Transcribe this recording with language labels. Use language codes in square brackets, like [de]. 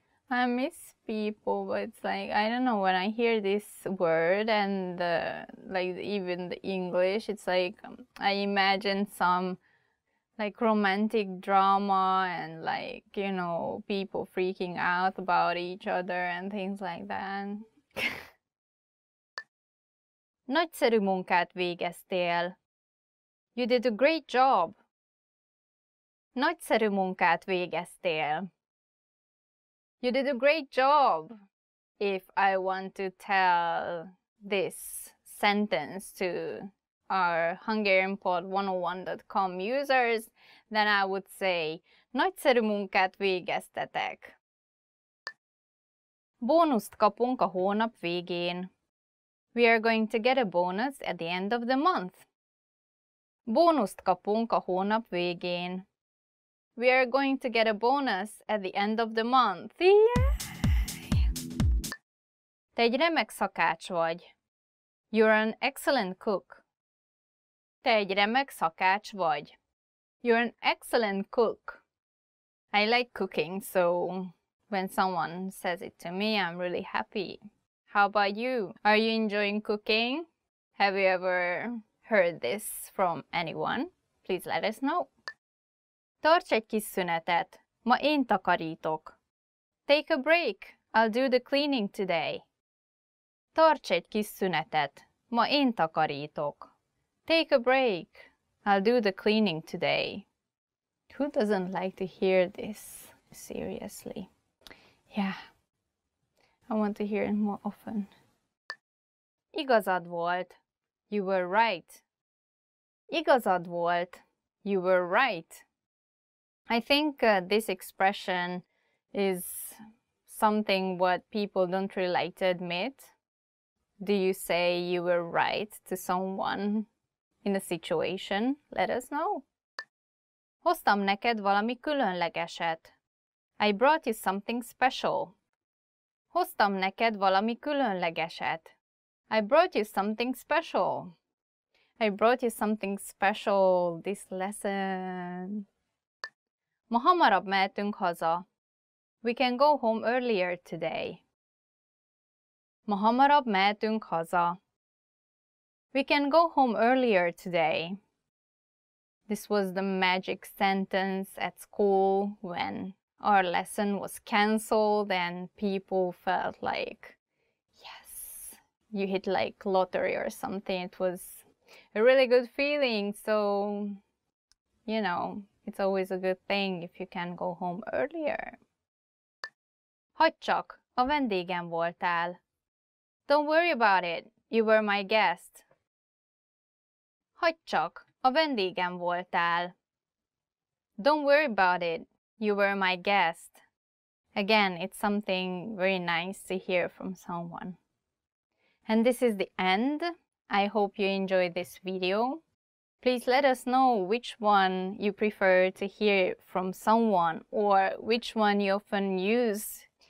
[en] I miss people, but it's like, I don't know, when I hear this word and even the English, it's like I imagine some like romantic drama and like, you know, people freaking out about each other and things like that. [hu] Nagyszerű munkát végeztél. [en] You did a great job. [hu] Nagyszerű munkát végeztél. [en] You did a great job. If I want to tell this sentence to our HungarianPod101.com users, then I would say, [hu] Nagyszerű munkát végeztetek. Bónuszt kapunk a hónap végén. [en] We are going to get a bonus at the end of the month. [hu] Bónuszt kapunk a hónap végén. [en] We are going to get a bonus at the end of the month. Yay! [hu] Te egy remek szakács vagy. [en] You're an excellent cook. [hu] Te egy remek szakács vagy. [en] You're an excellent cook. I like cooking, so when someone says it to me, I'm really happy. How about you? Are you enjoying cooking? Have you ever heard this from anyone? Please let us know. [hu] Tarts egy kis szünetet. Ma én takarítok. [en] Take a break. I'll do the cleaning today. [hu] Tarts egy kis szünetet. Ma én takarítok. [en] Take a break. I'll do the cleaning today. Who doesn't like to hear this? Seriously. Yeah. I want to hear it more often. [hu] Igazad volt. [en] You were right. [hu] Igazad volt. [en] You were right. I think this expression is something what people don't really like to admit. Do you say you were right to someone in a situation? Let us know. [hu] Hoztam neked valami különlegeset. [en] I brought you something special. [hu] Hoztam neked valami különlegeset. [en] I brought you something special. I brought you something special this lesson. [hu] Ma hamarabb mehetünk haza. [en] We can go home earlier today. [hu] Ma hamarabb mehetünk haza. [en] We can go home earlier today. This was the magic sentence at school when our lesson was cancelled and people felt like, yes, you hit like lottery or something. It was a really good feeling, so, you know, it's always a good thing if you can go home earlier. [hu] Hogy csak, a vendégem voltál. [en] Don't worry about it, you were my guest. [hu] Hogy csak, a vendégem voltál. [en] Don't worry about it, you were my guest. Again, it's something very nice to hear from someone. And this is the end. I hope you enjoyed this video. Please let us know which one you prefer to hear from someone or which one you often use.